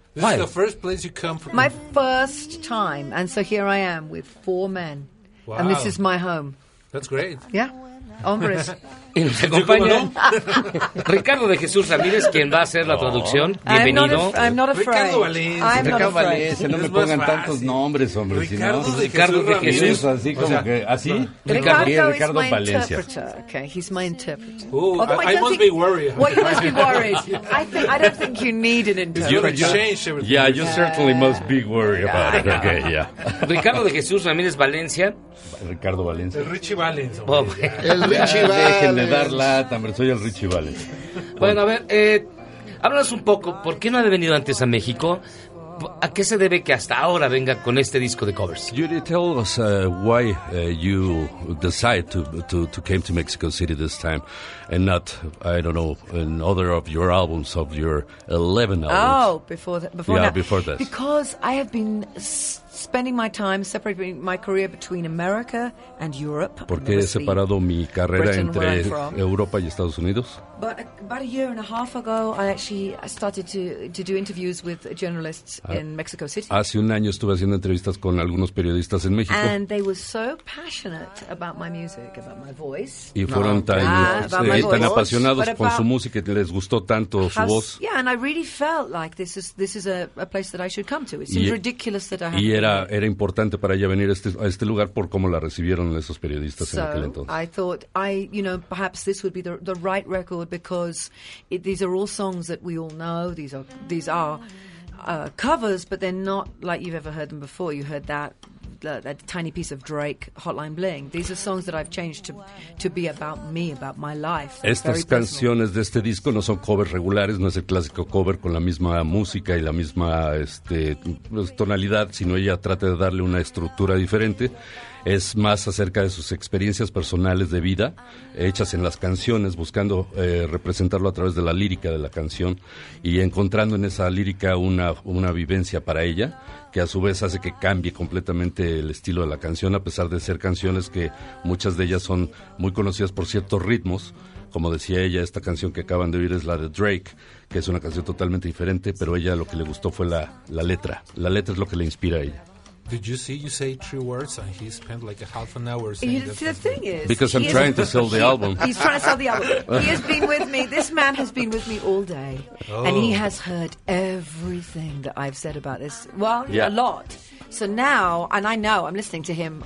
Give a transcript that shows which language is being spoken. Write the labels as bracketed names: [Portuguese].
[English] This Why? Is the first place you come from. My first time. And so here I am with four men. Wow. And this is my home. That's great. Yeah. Hombres. [Spanish] Y nos acompaña Ricardo de Jesús Ramírez, quien va a hacer la traducción. Bienvenido. [English] I'm not afraid. [Spanish] Ricardo Valencia. Ricardo Valencia. No me pongan tantos nombres, hombre. Ricardo de Jesús. Así como que, ¿así? [English] Ricardo is my Valencia. Okay, he's my interpreter. Ooh, I must be worried. Well, you must be worried. I don't think you need an interpreter. You're going to change everything. Yeah, you certainly must be worried about it. Okay, yeah. [Spanish] Ricardo de Jesús Ramírez Valencia. Ricardo Valencia. El Richie Valencia. El Richie Valencia. Le dar lata, hombre, soy el Richie Valens. Bueno, a ver, háblanos un poco, ¿por qué no había venido antes a México? ¿A qué se debe que hasta ahora venga con este disco de covers? [English] Judy, tell us why you decide to came to Mexico City this time and not, I don't know, in other of your albums, of your 11 albums. Oh, before yeah, now. Before this. Because I have been spending my time separating my career between America and Europe. [Spanish] Porque he separado mi carrera [English] Britain, [Spanish] entre Europa y Estados Unidos. [English] But about a year and a half ago, I actually started to do interviews with journalists in Mexico City. [Spanish] Hace un año estuve haciendo entrevistas con algunos periodistas en México. [English] And they were so passionate about my music, about my voice. [Spanish] Y fueron tan apasionados con su música, les gustó tanto su voz. [English] Yeah, and I really felt like this is a place that I should come to. It seems ridiculous that I have. [Spanish] Y era era importante para ella venir a este lugar por cómo la recibieron esos periodistas en aquel entonces. [English] I thought I, you know, perhaps this would be the right record because it, these are all songs that we all know. These are covers, but they're not like you've ever heard them before. You heard that tiny piece of Drake, Hotline Bling. These are songs that I've changed to be about me, about my life. [Spanish] Estas canciones de este disco no son covers regulares, no es el clásico cover con la misma música y la misma tonalidad, sino ella trata de darle una estructura diferente. Es más acerca de sus experiencias personales de vida, hechas en las canciones, buscando representarlo a través de la lírica de la canción y encontrando en esa lírica una vivencia para ella, que a su vez hace que cambie completamente el estilo de la canción, a pesar de ser canciones que muchas de ellas son muy conocidas por ciertos ritmos. Como decía ella, esta canción que acaban de oír es la de Drake, que es una canción totalmente diferente, pero ella lo que le gustó fue la letra. La letra es lo que le inspira a ella. [English] Did you see you say three words and he spent like a half an hour saying that? See, the thing is... Because I'm trying to sell the album. He's trying to sell the album. He has been with me. This man has been with me all day. Oh. And he has heard everything that I've said about this. Well, yeah. A lot. So now, and I know, I'm listening to him.